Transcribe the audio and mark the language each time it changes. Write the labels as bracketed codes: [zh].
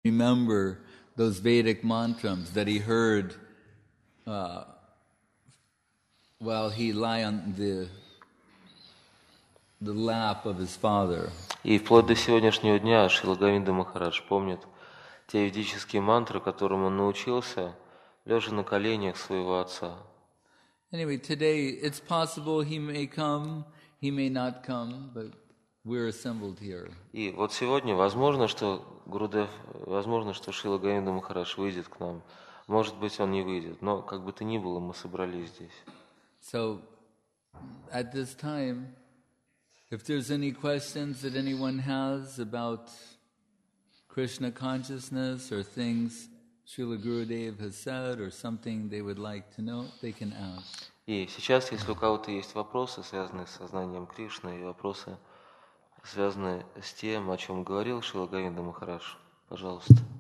[en] remember those Vedic mantras that he heard while he lay on the lap of his father. [ru] И вплоть до сегодняшнего дня Шрила Говинда Махарадж помнит те ведические мантры, которым он научился, лежа на коленях своего отца. [en] Anyway, today it's possible he may come, he may not come, but we're assembled here. [ru] И вот сегодня возможно, что Гурудев, возможно, что Шрила Говинда Махарадж выйдет к нам. Может быть, он не выйдет, но как бы то ни было, мы собрались здесь. [en] So, at this time, if there's any questions that anyone has about Krishna consciousness or things Srila Gurudev has said or something they would like to know, they can ask. [ru] И сейчас, если у кого-то есть вопросы, связанные с сознанием Кришны, и вопросы, связанные с тем, о чем говорил Шрила Говинда Махарадж, пожалуйста.